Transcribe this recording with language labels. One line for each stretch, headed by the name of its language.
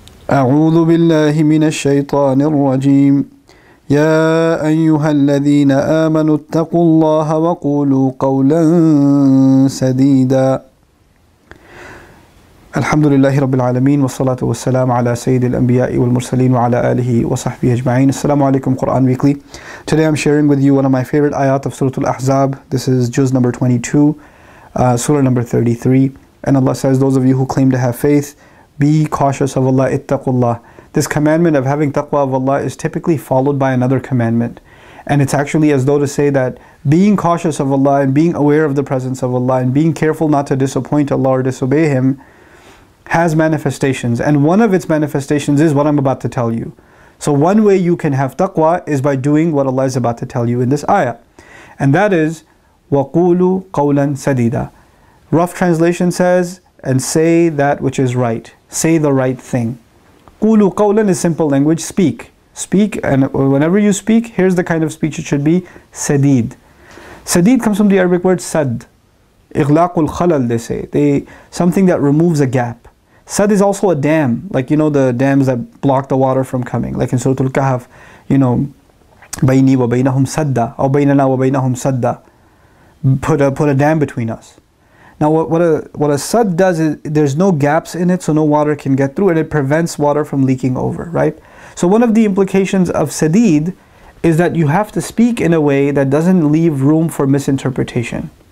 Arabic: أعوذ بالله من الشيطان الرجيم. يا أيها الذين آمنوا اتقوا الله وقولوا قولا سديدا. الحمد لله رب العالمين والصلاة والسلام على سيد الأنبياء والمرسلين وعلى آله وصحبه أجمعين. السلام عليكم قرآن ويكلي.
English: Today I'm sharing with you one of my favorite ayat of Surah Al-Ahzab. This is Juz number 22, Surah number 33. And Allah says, those of you who claim to have faith, be cautious of Allah, ittaqullah. This commandment of having taqwa of Allah is typically followed by another commandment. And it's actually as though to say that being cautious of Allah and being aware of the presence of Allah and being careful not to disappoint Allah or disobey Him has manifestations. And one of its manifestations is what I'm about to tell you. So one way you can have taqwa is by doing what Allah is about to tell you in this ayah. And that is,
Arabic: وَقُولُوا قَوْلًا سَدِيدًا.
English: Rough translation says, and say that which is right. Say the right thing.
Arabic: قُولُوا قَوْلًا
English: is simple language. Speak. Speak, and whenever you speak, here's the kind of speech it should be. Sadid. Sadid comes from the Arabic word sad.
Arabic: إِغْلَاقُ الْخَلَلْ,
English: they say. Something that removes a gap. Sad is also a dam. Like, you know, the dams that block the water from coming. Like in Surah Al-Kahf, you know,
Arabic: بَيْنِي وَبَيْنَهُمْ سَدَّ أو بَيْنَنَا وَبَيْنَهُمْ سَدَّ.
English: Put a dam between us. Now what a sad does is there's no gaps in it, so no water can get through, and it prevents water from leaking over, right? So one of the implications of sadid is that you have to speak in a way that doesn't leave room for misinterpretation.